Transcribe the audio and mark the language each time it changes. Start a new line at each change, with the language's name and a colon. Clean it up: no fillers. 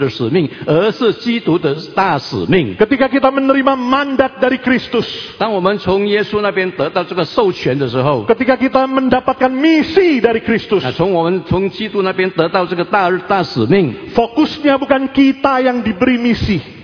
Chinese: 要知道我们所执行的大使命，并不是我们教会我们本身的使命，而是基督的大使命。
Indonesian: Ketika kita menerima mandat dari Kristus,
Chinese: 当我们从耶稣那边得到这个授权的时候，
Indonesian: Ketika kita mendapatkan misi dari Kristus,
Chinese: 从基督那边得到这个大使命。
Indonesian: Fokusnya bukan kita yang diberi misi.